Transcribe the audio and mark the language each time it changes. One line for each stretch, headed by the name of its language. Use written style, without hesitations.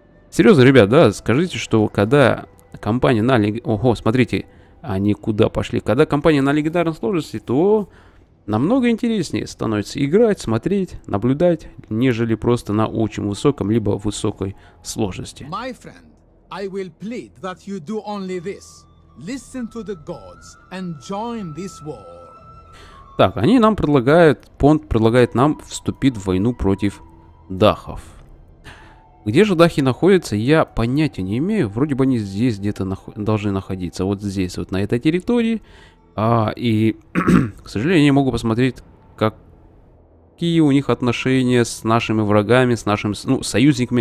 Russian: Серьезно, ребят, да, скажите, что когда компания на легендарной... Ого, смотрите, они куда пошли. Когда компания на легендарной сложности, то намного интереснее становится играть, смотреть, наблюдать, нежели просто на очень высоком, либо высокой сложности.
English: I will plead that you do only this. Listen to the gods and join this war.
Russian: Так, они нам предлагают, Понт предлагает нам вступить в войну против дахов. Где же дахи находятся, я понятия не имею. Вроде бы они здесь где-то должны находиться. Вот здесь, вот на этой территории. И, к сожалению, я не могу посмотреть, какие у них отношения с нашими врагами, с нашими, ну, союзниками.